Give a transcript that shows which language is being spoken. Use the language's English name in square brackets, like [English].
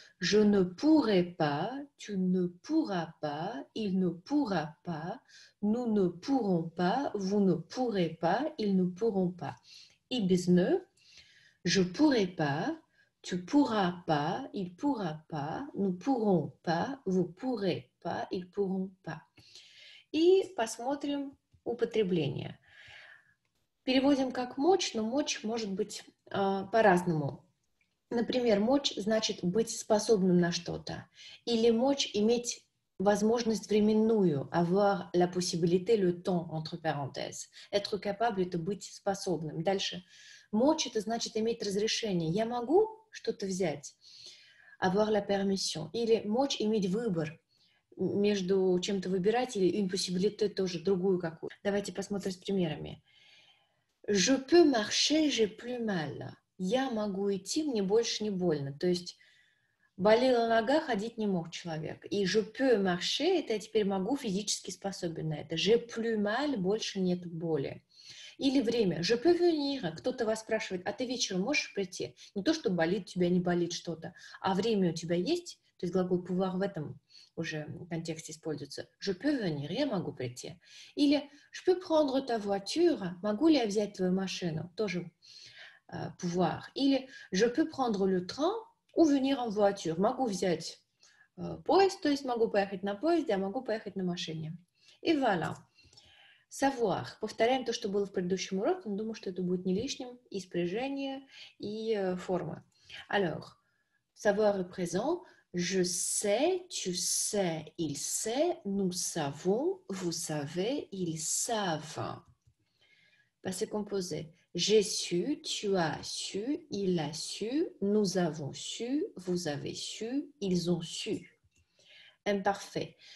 [French] Je ne pourrai pas, tu ne pourras pas, il ne pourra pas, nous ne pourrons pas, vous ne pourrez pas, ils ne pourront pas. Et bis ne, je pourrai pas. Tu pourras pas, il pourra pas, nous pourrons pas, vous pourrez pas, ils pourront pas. [Russian] И посмотрим употребление. Переводим как мочь, но мочь может быть по-разному. Например, мочь значит быть способным на что-то. Или мочь иметь возможность временную, avoir la possibilité, le temps, entre parenthèses. Être capable, это быть способным. Дальше. Мочь, это значит иметь разрешение. Я могу что-то взять, avoir la permission. Или мочь иметь выбор между чем-то выбирать или une possibilité тоже, другую какую. Давайте посмотрим с примерами. [French] Je peux marcher, j'ai plus mal. [Russian] Я могу идти, мне больше не больно. То есть болела нога, ходить не мог человек. И je peux marcher, это я теперь могу, физически способен на это. J'ai plus mal, больше нет боли. [French] Или время. Je peux venir. [Russian] Кто-то вас спрашивает, а ты вечером можешь прийти? Не то, что болит, у тебя не болит что-то. А время у тебя есть? То есть глагол pouvoir в этом уже контексте используется. [French] Je peux venir. Я могу прийти. Или je peux prendre ta voiture. [Russian] Могу ли я взять твою машину? [French] Тоже pouvoir. Или je peux prendre le train ou venir en voiture. [Russian] Могу взять поезд, то есть могу поехать на поезде, а могу поехать на машине. [French] И voilà. Savoir. [Russian] Повторяем то, что было в предыдущем уроке, но думаю, что это будет не лишним. И спряжение, и форма. [French] Alors, savoir est présent. Je sais, tu sais, il sait, nous savons, vous savez, ils savent. Passé composé. J'ai su, tu as su, il a su, nous avons su, vous avez su, ils ont su. Imparfait.